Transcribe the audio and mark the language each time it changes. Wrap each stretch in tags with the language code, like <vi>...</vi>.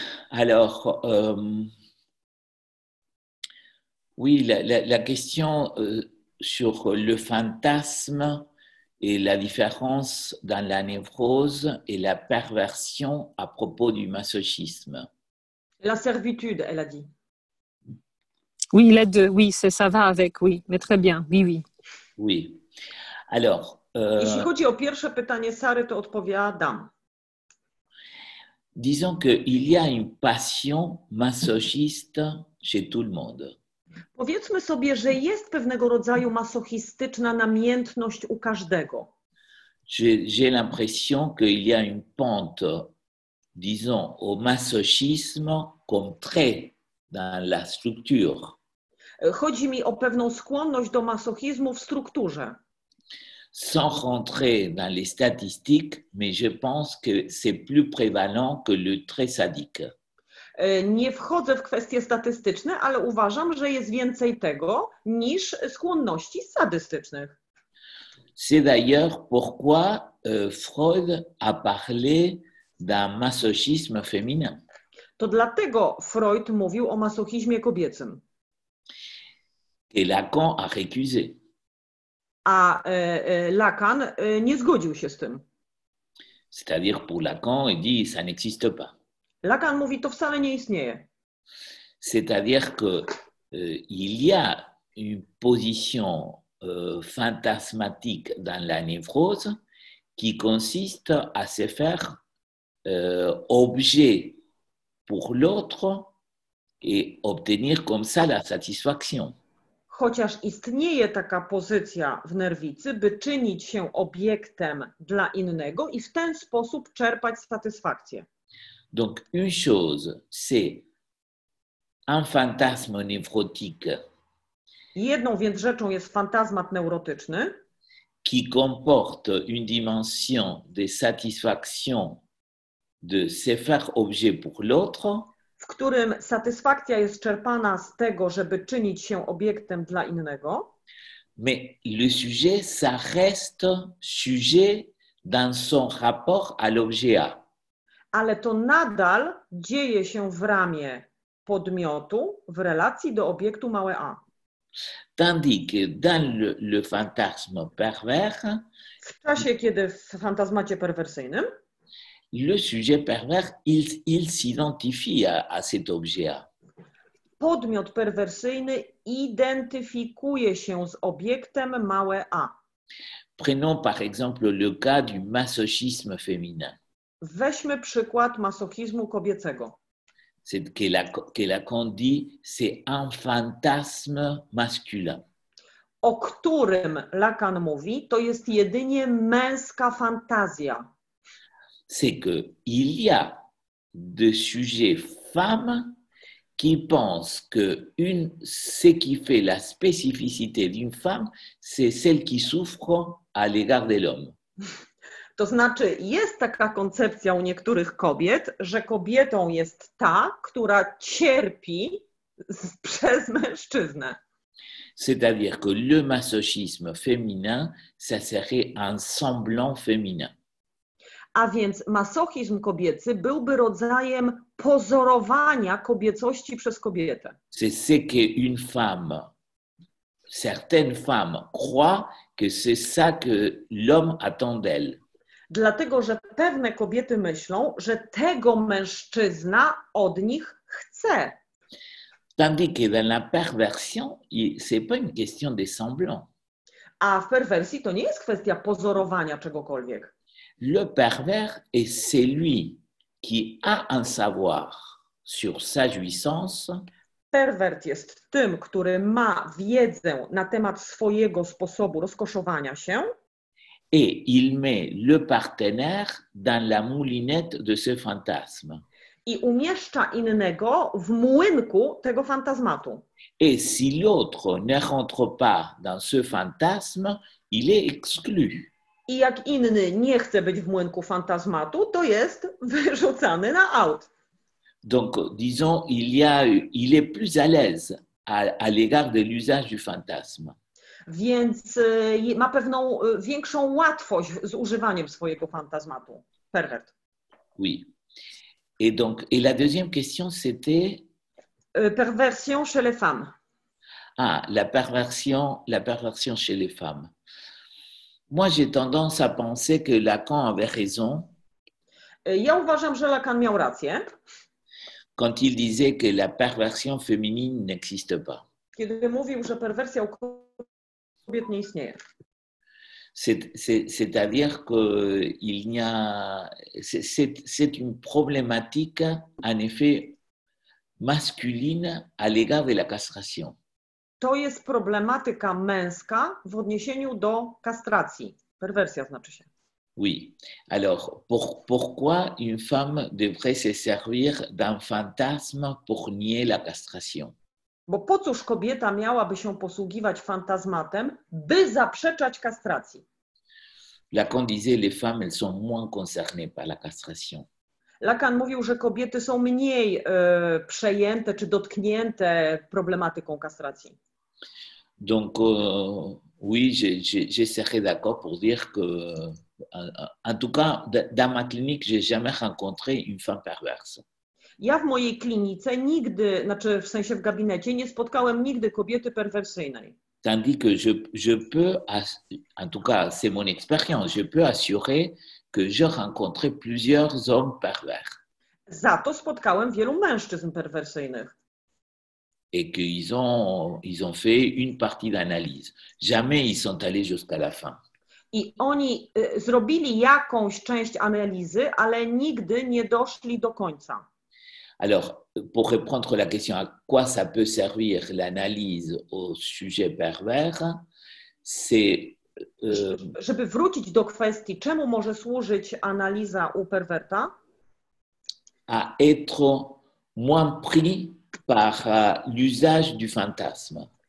<fr>Alors, oui, la question sur le fantasme et la différence dans la névrose et la perversion à propos du masochisme. La servitude, elle a dit. Oui, les deux, oui, ça va avec, oui, mais très bien, oui, oui. Oui. Alors.</fr> <pl>Jeśli chodzi o pierwsze pytanie Sary, to odpowiadam.</pl> <fr>Disons que il y a une passion masochiste chez tout le monde.</fr> <pl>Powiedzmy sobie, że jest pewnego rodzaju masochistyczna namiętność u każdego.</pl> <fr>J'ai l'impression qu'il y a une pente, disons, au masochisme comme trait dans la structure.</fr> <pl>Chodzi mi o pewną skłonność do masochizmu w strukturze.</pl> <fr>Sans rentrer dans les statistiques, mais je pense que c'est plus prévalent que le trait sadique.</fr> <pl>Nie wchodzę w kwestie statystyczne, ale uważam, że jest więcej tego niż skłonności sadystycznych.</pl> <fr>C'est d'ailleurs pourquoi Freud a parlé d'un masochisme féminin.</fr> <pl>To dlatego Freud mówił o masochizmie kobiecym.</pl> <fr>Et Lacan a récusé.</fr> <pl>A Lacan nie zgodził się z tym.</pl> <fr>C'est-à-dire pour Lacan, il dit ça n'existe pas.</fr> <pl>Lacan mówi, to wcale nie istnieje.</pl> <fr>C'est-à-dire que il y a une position fantasmatique dans la névrose qui consiste à se faire objet pour l'autre et obtenir comme ça la satisfaction.</fr> <pl>Chociaż istnieje taka pozycja w nerwicy, by czynić się obiektem dla innego i w ten sposób czerpać satysfakcję.</pl> <fr>Donc une chose, c'est un fantasme névrotique.</fr> <pl>Jedną więc rzeczą jest fantazmat neurotyczny,</pl> <fr>qui comporte une dimension de satisfaction de se faire objet pour l'autre.</fr> <pl>W którym satysfakcja jest czerpana z tego, żeby czynić się obiektem dla innego.</pl> <fr>Mais le sujet, ça reste sujet dans son rapport à l'objet A.</fr> <pl>Ale to nadal dzieje się w ramie podmiotu, w relacji do obiektu małe A.</pl> <fr>Tandis que dans le fantasme pervers,</fr> <pl>w czasie, kiedy w fantazmacie perwersyjnym,</pl> <fr>le sujet pervers, il s'identifie à cet objet A.</fr> <pl>Podmiot perwersyjny identyfikuje się z obiektem małe A.</pl> <fr>Prenons par exemple le cas du masochisme féminin.</fr> <pl>Weźmy przykład masochizmu kobiecego.</pl> <fr>C'est que Lacan dit, c'est un fantasme masculin.</fr> <pl>O którym Lacan mówi, to jest jedynie męska fantazja.</pl> <fr>C'est que il y a des sujets femmes qui pensent que ce qui fait la spécificité d'une femme, c'est celle qui souffre à l'égard de l'homme.</fr> <pl>To znaczy, jest taka koncepcja u niektórych kobiet, że kobietą jest ta, która cierpi przez mężczyznę.</pl> <fr>C'est-à-dire que le masochisme féminin, ça serait un semblant féminin.</fr> <pl>A więc masochizm kobiecy byłby rodzajem pozorowania kobiecości przez kobietę.</pl> <fr>C'est ce que une femme, certaines femmes croient que c'est ça que l'homme attend d'elle.</fr> <pl>Dlatego, że pewne kobiety myślą, że tego mężczyzna od nich chce.</pl> <fr>Tandis que dans la perversion, c'est pas une question de semblant.</fr> <pl>A w perwersji to nie jest kwestia pozorowania czegokolwiek.</pl> <fr>Le pervers est celui qui a un savoir sur sa jouissance.</fr> <pl>Pervert jest tym, który ma wiedzę na temat swojego sposobu rozkoszowania się.</pl> <fr>Et il met le partenaire dans la moulinette de ce fantasme.</fr> <pl>i umieszcza innego w młynku tego fantazmatu.</pl> <fr>Et si l'autre ne rentre pas dans ce fantasme, il est exclu.</fr> <pl>I jak inny nie chce być w młynku fantazmatu, to jest wyrzucany na aut.</pl> <fr>Donc, disons, il est plus à l'aise à l'égard de l'usage du fantasme.</fr> <pl>Więc ma pewną większą łatwość z używaniem swojego fantazmatu. Pervert.</pl> <fr>Oui. Et donc, et la deuxième question, c'était perversion chez les femmes. Ah, la perversion chez les femmes. Moi, j'ai tendance à penser que Lacan avait raison.</fr> <pl>Ja uważam, że Lacan miał rację.</pl> <fr>Quand il disait que la perversion féminine n'existe pas.</fr> <pl>Kiedy mówił, że perwersja u kobiet nie istnieje.</pl> <fr>C'est-à-dire que il n'y a c'est une problématique en effet masculine à l'égard de la castration.</fr> <pl>To jest problematyka męska w odniesieniu do kastracji. Perwersja znaczy się.</pl> <fr>Oui. Alors, pourquoi une femme devrait se servir d'un fantasme pour nier la castration?</fr> <pl>Bo po cóż kobieta miałaby się posługiwać fantazmatem, by zaprzeczać kastracji?</pl> <fr>Lacan disait, les femmes, elles sont moins concernées par la castration.</fr> <pl>Lacan mówił, że kobiety są mniej przejęte czy dotknięte problematyką kastracji.</pl> <fr>Donc, oui, je serais d'accord pour dire que, en tout cas, dans ma clinique, j'ai jamais rencontré une femme perverse.</fr> <pl>Ja w mojej klinice nigdy, znaczy w sensie w gabinecie, nie spotkałem nigdy kobiety perwersyjnej.</pl> <fr>Tandis que je peux, en tout cas c'est mon expérience, je peux assurer que j'ai rencontré plusieurs hommes pervers.</fr> <pl>Za to spotkałem wielu mężczyzn perwersyjnych.</pl> <fr>Et qu'ils ont fait une partie d'analyse. Jamais ils sont allés jusqu'à la fin.</fr> <pl>I oni zrobili jakąś część analizy, ale nigdy nie doszli do końca.</pl> <fr>Alors, pour répondre à la question à quoi ça peut servir l'analyse au sujet pervers, c'est...</fr> <pl>Żeby wrócić do kwestii, czemu może służyć analiza u perwerta?</pl> <fr>À être moins pris par l'usage du fantasme.</fr>